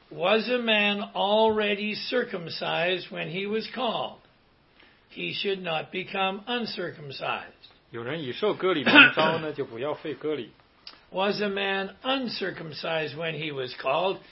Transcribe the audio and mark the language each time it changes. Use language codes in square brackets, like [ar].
[en] was a man already circumcised when he was called? He should not become uncircumcised. [zh] 有人以受割礼蒙召呢，就不要废割礼。 [en] Was a man uncircumcised when he was called?